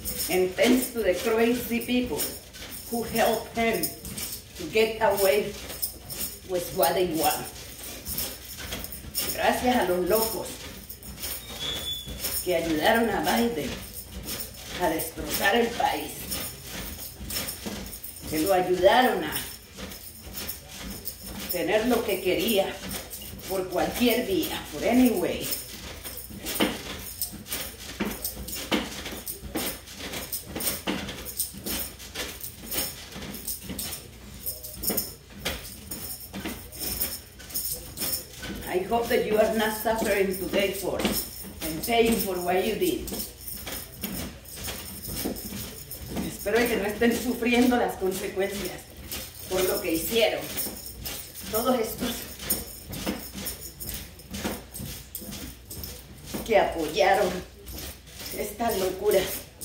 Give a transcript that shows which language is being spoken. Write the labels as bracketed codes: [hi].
[en] And thanks to the crazy people who help him to get away with what they want. [es] Gracias a los locos que ayudaron a Biden a destrozar el país. Que lo ayudaron a tener lo que quería por cualquier vía, por [en] any way. Hope that you are not suffering today for and paying for what you did. [es] Espero que no estén sufriendo las consecuencias por lo que hicieron. Todos estos que apoyaron estas locuras.